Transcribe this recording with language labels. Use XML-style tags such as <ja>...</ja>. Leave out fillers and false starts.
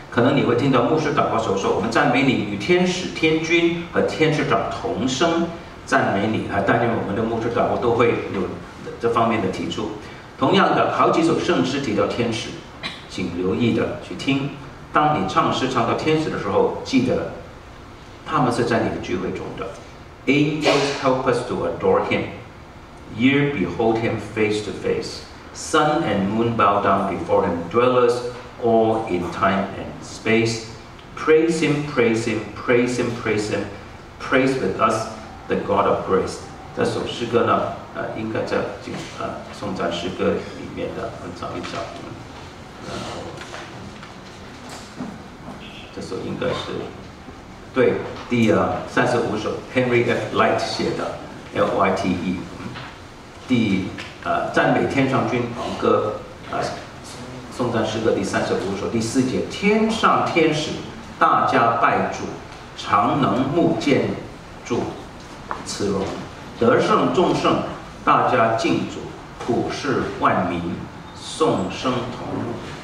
<zh>可能你会听到牧师祷告时候说，我们赞美你，与天使天君和天使长同声赞美你啊。当然我们的牧师祷告都会有这方面的提出。同样的，好几首圣诗提到天使，请留意的去听。当你唱诗唱到天使的时候，记得他们是在你的聚会中的。</zh> <en>Angels help us to adore him, Year behold him face to face, Sun and moon bow down before him, Dwellers all in time and space, Praise him, praise him, praise him, praise him, Praise with us the God of grace.</en> <zh>这首诗歌呢应该在颂赞诗歌里面的，我们找一找。然后这首应该是对第35首 Henry F. Light 写的 LYTE 第赞美天上君王歌颂赞诗歌第35首第4节，天上天使大家拜主，常能目见主慈容，得胜众圣大家敬主，普世万民颂声同荣。</zh>